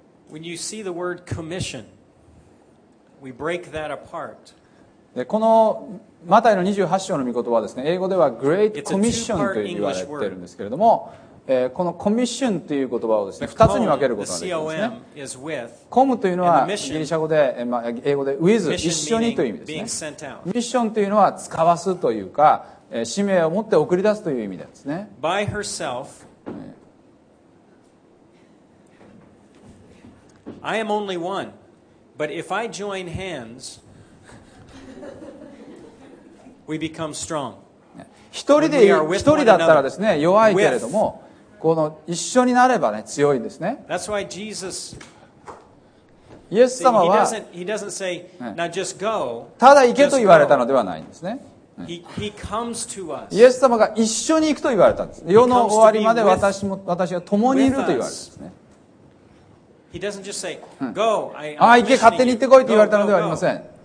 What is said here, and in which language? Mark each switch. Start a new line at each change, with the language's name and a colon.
English: When you see the word commission, we break that apart.
Japanese: でこのマタイの28章の御言葉はですね、英語では Great Commission と言われているんですけれども、この Commission という言葉をですね、2つに分けることができるんですね。 Com というのはギリシャ語で、英語で With、一緒にという意味ですね。 Mission というのは使わすというか、使命を持って送り出すという意味なんですね。
English: By herself, I am only one, but if I join hands,We become strong.
Japanese: 一人だったらですね、弱いけれども、この一緒になればね、強いんですね。
English: That's why Jesus,
Japanese: イエス様は、
English: he doesn't say, now just go,
Japanese: ただ行けと言われたのではないんですね。
English: He comes to us.
Japanese: イエス様が一緒に行くと言われたんです。世の終わりまで私が共にいると言われたんですね。
English: He doesn't just say, go,
Japanese: ああ、行け、勝手に行ってこいと言われたのではありません。